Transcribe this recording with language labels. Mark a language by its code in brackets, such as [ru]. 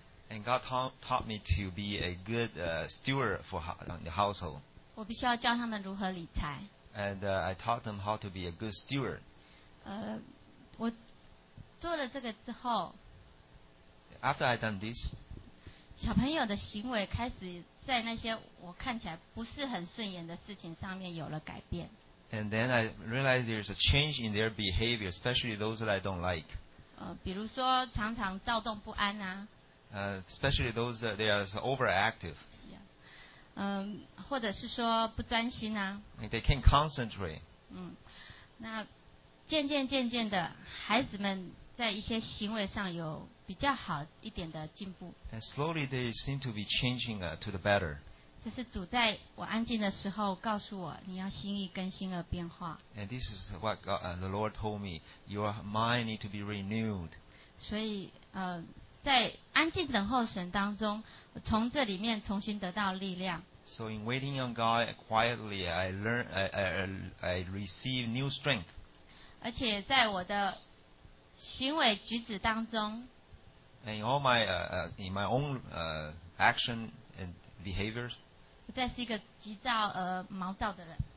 [en] And God taught me to be a good steward for the household. [zh] 我必须要教他们如何理财。 [en] And I taught them how to be a good steward. [zh] 我做了这个之后。 [en] After I done this. [zh] 小朋友的行为开始在那些我看起来不是很顺眼的事情上面有了改变。 [en] And then I realized there's a change in their behavior, especially those that I don't like. [zh] 比如说常常躁动不安啊。 [en] Especially those that they are overactive. [zh] 或者是说不专心啊。 [en] And they can't concentrate. [zh] 那渐渐的孩子们在一些行为上有比较好一点的进步。 [en] And slowly they seem to be changing to the better. [zh] 这是主在我安静的时候告诉我，你要心意更新而变化。 [en] And this is what God, the Lord told me, your mind need to be renewed. [zh] 所以在安静等候神当中，从这里面重新得到力量。 [en] So in waiting on God quietly, I receive new strength. [zh] 而且在我的行为举止当中。 [en] And in all my in my own action and behaviors. [zh] 不再是一个急躁而毛躁的人。